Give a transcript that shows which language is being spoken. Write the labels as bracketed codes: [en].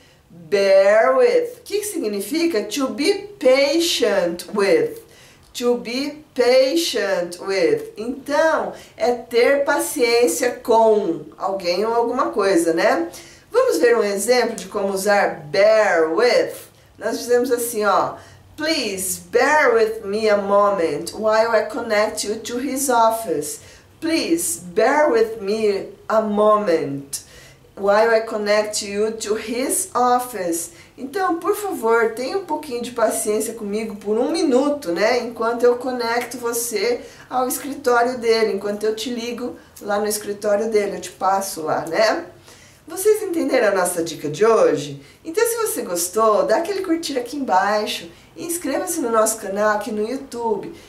[en] Bear with. [pt] O que significa [en] to be patient with? To be patient with. [pt] Então, é ter paciência com alguém ou alguma coisa, né? Vamos ver um exemplo de como usar bear with? Nós dizemos assim, ó. [en] Please bear with me a moment while I connect you to his office. Please bear with me a moment while I connect you to his office. [pt] Então, por favor, tenha um pouquinho de paciência comigo por um minuto, né? Enquanto eu conecto você ao escritório dele, enquanto eu te ligo lá no escritório dele, eu te passo lá, né? Vocês entenderam a nossa dica de hoje? Então, se você gostou, dá aquele curtir aqui embaixo e inscreva-se no nosso canal aqui no YouTube.